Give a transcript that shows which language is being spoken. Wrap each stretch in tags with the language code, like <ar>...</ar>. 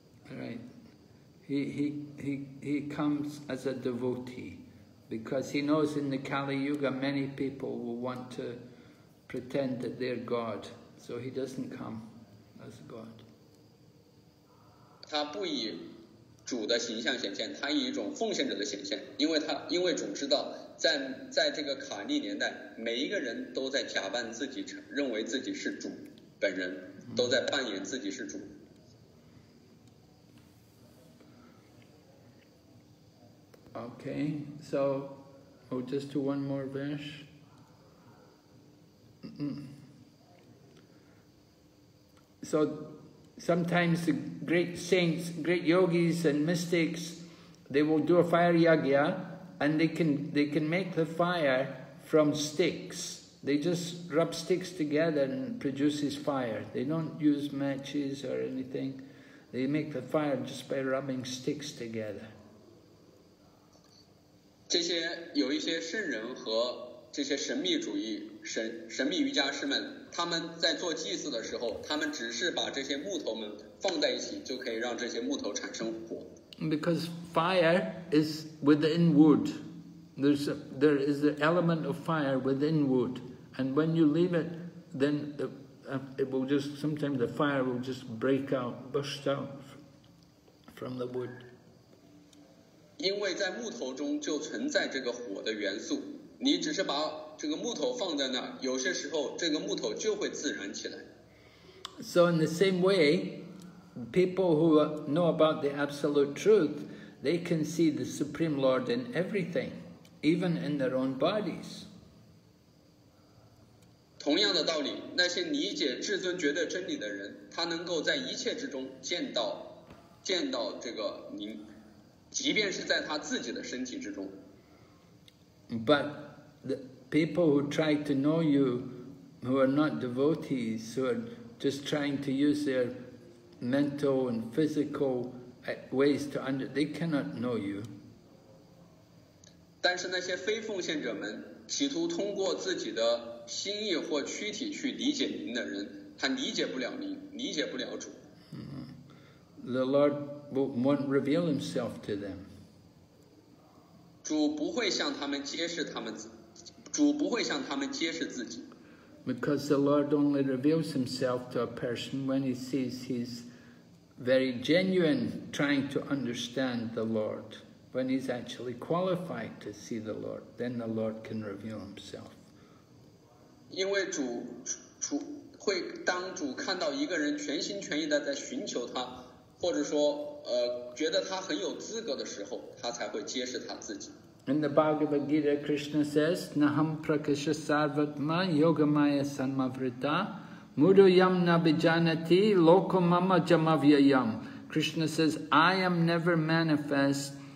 <en>Right. He comes as a devotee, because he knows in the Kali Yuga many people will want to pretend that they're God, so he doesn't come as God.</en> <zh>他不以主的形象显现，他以一种奉献者的显现，因为主知道在这个卡利年代，每一个人都在假扮自己，认为自己是主本人，都在扮演自己是主。</zh> <en>Okay, so I'll just do one more verse. So sometimes the great saints, great yogis and mystics, they will do a fire yagya, and they can make the fire from sticks. They just rub sticks together and produces fire. They don't use matches or anything. They make the fire just by rubbing sticks together.</en> <zh>这些有一些圣人和这些神秘主义神秘瑜伽师们，他们在做祭祀的时候，他们只是把这些木头们放在一起，就可以让这些木头产生火。</zh> <en>Because fire is within wood, there is the element of fire within wood, and when you leave it, then it will just sometimes the fire will just break out, burst out from the wood.</en> <zh>因为在木头中就存在这个火的元素，你只是把这个木头放在那，有些时候这个木头就会自燃起来。</zh> <en>So in the same way, people who know about the absolute truth, they can see the Supreme Lord in everything, even in their own bodies.</en> <zh>同样的道理，那些理解至尊绝对真理的人，他能够在一切之中见到这个您。即便是在他自己的身体之中。</zh> <en>But the people who try to know you, who are not devotees, who are just trying to use their mental and physical ways to they cannot know you.</en> <zh>但是那些非奉献者们，企图通过自己的心意或躯体去理解您的人，他理解不了您，理解不了主。</zh> <en>The Lord won't reveal himself to them.</en> <zh>主不会向他们揭示他们，主不会向他们揭示自己。</zh> <en>Because the Lord only reveals himself to a person when he sees he's very genuine trying to understand the Lord. When he's actually qualified to see the Lord, then the Lord can reveal himself.</en> <zh>因为主会当主看到一个人全心全意的在寻求他。或者说，觉得他很有资格的时候，他才会揭示他自己。</zh> <en>In the Bhagavad Gita, Krishna says,</en> <sa>"Naham prakasya sarvatma yogamaya sanmavrita mudoyam nabijanati lokamama jamavyayam."</sa> <en>Krishna says, "I am never manifest,</en>